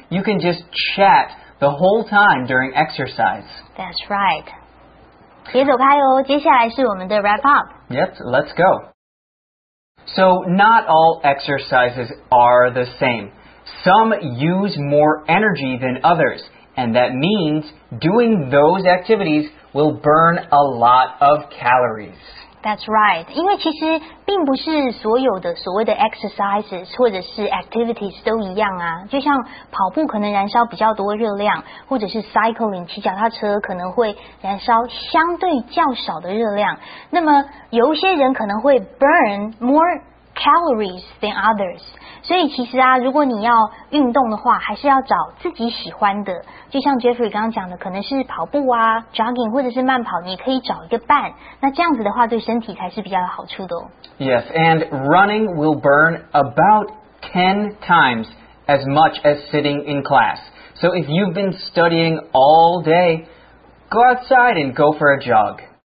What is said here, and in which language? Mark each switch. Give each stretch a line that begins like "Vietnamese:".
English: You can just chat the whole time during exercise. That's right.
Chinese: 别走开哦，接下来是我们的
English: wrap up. Yep, let's go. So not all exercises are the same. Some use more energy than others, and that means doing those activities will burn a lot of calories. That's right.
Chinese: 因为其实并不是所有的所谓的 exercises 或者是 activities 都一样啊。就像跑步可能燃烧比较多热量，或者是 cycling 骑脚踏车可能会燃烧相对较少的热量。那么有一些人可能会
English: burn more calories than others.
Chinese: 所以其实啊，如果你要运动的话，还是要找自己喜欢的。就像 Jeffrey 刚刚讲的，可能是跑步啊、jogging 或者是慢跑，你可以找一个伴。那这样子的话，对身体才是比较有好处的哦。
English: Yes, and running will burn about 10 times as much as sitting in class. So if you've been studying all day, go outside and go for a jog.